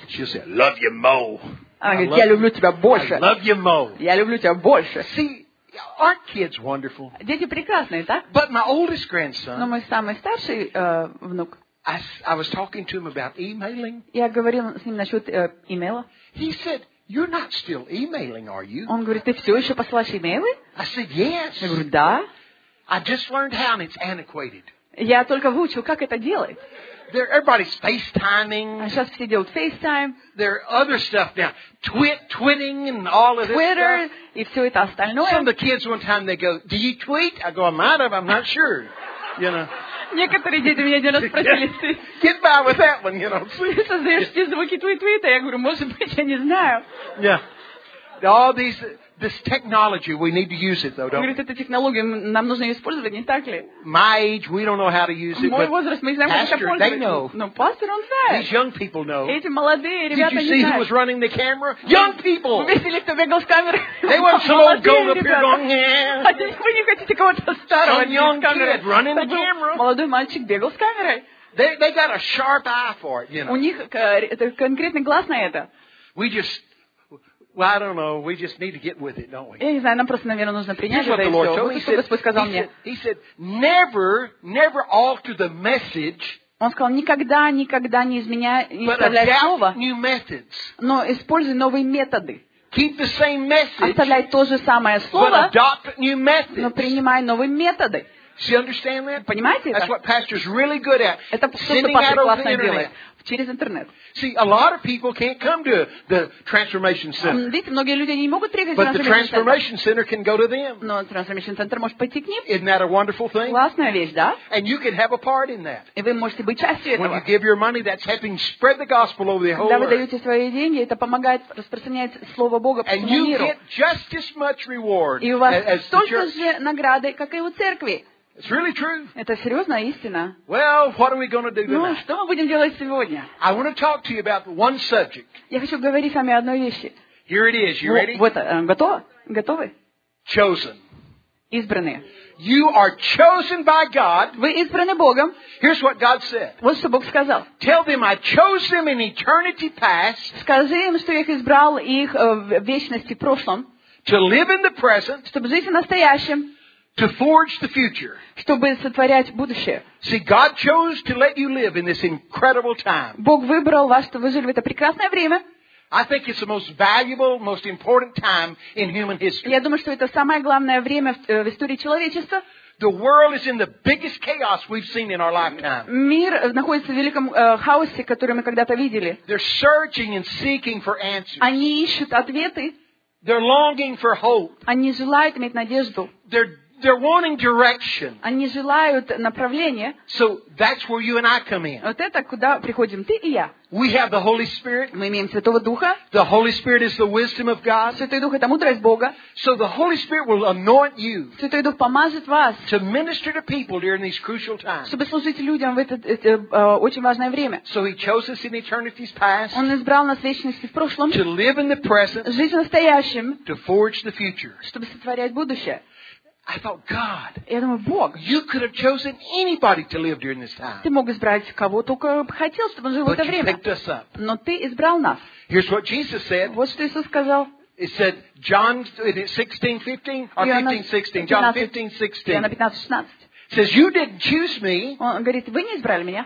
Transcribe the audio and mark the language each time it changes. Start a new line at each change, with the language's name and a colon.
English: She'll say, love you more.
Russian: Она говорит, я люблю тебя больше.
English: I love you more.
Russian: Я люблю тебя больше.
English: See, aren't kids wonderful?
Russian: Дети прекрасные, так?
English: But my oldest grandson.
Russian: Но мой самый старший внук.
English: I was talking to him about emailing.
Russian: Я говорил с ним насчет имейла.
English: He said, you're not still emailing, are you?
Russian: Он говорит, ты все еще посылаешь имейлы?
English: I said, yes.
Russian: Я говорю, да.
English: I just learned how and it's antiquated.
Russian: Я только выучил, как это делать.
English: Everybody's FaceTiming.
Russian: А сейчас все делают FaceTime.
English: There are other stuff now. Twitting and all of Twitter, this stuff.
Russian: И все это остальное.
English: Some of the kids one time they go, "Do you tweet?" I go, "I might have, I'm not sure." You know.
Russian: Некоторые дети меня один раз спросили.
English: Get by with that one, you know.
Russian: Создаешь ли звуки твит-твита? Я говорю, может быть, я не знаю.
English: Yeah. All these. This technology, we need to use it, though, don't we?
Russian: Говорит, эта технология, нам нужно ее использовать, не так ли?
English: My age, we don't know how to use it.
Russian: Мой возраст, мы не знаем, как это пользоваться.
English: They know.
Russian: Но пастор, он знает.
English: These young people know.
Russian: Эти молодые ребята не знают.
English: Did you see who was running the camera? Young people.
Russian: Вы видели, кто бегал с камеры?
English: They want some old goat up here going,
Russian: "Yeah." А здесь вы не хотите кого-то старого?
English: Some young kid running the camera.
Russian: Молодой мальчик бегал с камерой.
English: They got a sharp eye for it, you know.
Russian: У них это конкретный глаз на это.
English: Well, I don't know. We just need to get with it, don't we?
Russian: Я не знаю, нам просто, наверное, нужно принять это.
English: Here's what the Lord told me. He said, never alter the message.
Russian: Он сказал, никогда не изменяй слово.
English: New methods.
Russian: Но используй новые методы.
English: Keep the same message.
Russian: Оставляй то же самое слово.
English: But adopt new methods.
Russian: Но принимай новые методы.
English: Do you understand that?
Russian: Понимаете это?
English: That's what pastors really good at.
Russian: Это то, что пастор классно делает. Через интернет.
English: See, a lot of people can't come to the transformation center.
Russian: Видите, многие люди не могут приехать.
English: But the transformation center can go to them.
Russian: Но трансформационный центр может пойти к ним.
English: Isn't that a wonderful thing?
Russian: Классная вещь, да?
English: And you can have a part in that.
Russian: И вы можете быть частью этого.
English: When you give your money, that's helping spread the gospel over the whole earth.
Russian: Когда вы даете свои деньги, это помогает распространять слово Бога по всему миру.
English: And you get just as much reward.
Russian: И у вас столько же награды, как и у церкви.
English: It's really true.
Russian: Это серьезная истина.
English: Well, what are we going to do tonight?
Russian: Ну, что мы будем делать сегодня?
English: I want to talk to you about one subject.
Russian: Я хочу говорить с вами одной вещи.
English: Here it is. You ready?
Russian: Вот, готово? Готовы?
English: Chosen.
Russian: Избранные.
English: You are chosen by God.
Russian: Вы избраны Богом.
English: Here's what God said.
Russian: Вот что Бог сказал.
English: Tell them I chose them in eternity past.
Russian: Скажи им, что я их избрал их в вечности прошлом.
English: To live in the present.
Russian: Чтобы жить в настоящем.
English: To forge the future.
Russian: Чтобы сотворять будущее.
English: See, God chose to let you live in this incredible time.
Russian: Бог выбрал вас, чтобы вы жили в это прекрасное время.
English: I think it's the most valuable, most important time in human history.
Russian: Я думаю, что это самое главное время в истории человечества.
English: The world is in the biggest chaos we've seen in our lifetime.
Russian: Мир находится в великом хаосе, который мы когда-то видели.
English: They're searching and seeking for answers.
Russian: Они ищут ответы.
English: They're longing for hope.
Russian: Они желают иметь надежду.
English: They're wanting direction.
Russian: Они желают направления.
English: So that's where you and I come in.
Russian: Вот это куда приходим ты и я.
English: We have the Holy Spirit.
Russian: Мы имеем Святого Духа.
English: The Holy Spirit is the wisdom of God.
Russian: Святой Дух это мудрость Бога.
English: So the Holy Spirit will anoint you.
Russian: Святой Дух помазит вас.
English: To minister to people during these crucial times.
Russian: Чтобы служить людям в это очень важное время.
English: So He chose us in eternity's past.
Russian: Он избрал нас в вечности в прошлом.
English: To live in the present.
Russian: Жить в настоящем.
English: To forge the future.
Russian: Чтобы сотворять будущее.
English: I thought, God,
Russian: я думаю, Бог,
English: you could have chosen anybody to live during this time.
Russian: Ты мог избрать кого только хотел, чтобы он жил в это время.
English: But you picked us up.
Russian: Но ты избрал нас.
English: Here's what Jesus said.
Russian: Вот что Иисус сказал.
English: It said, John 15:16. It says, you didn't choose me.
Russian: Он говорит, вы не избрали меня.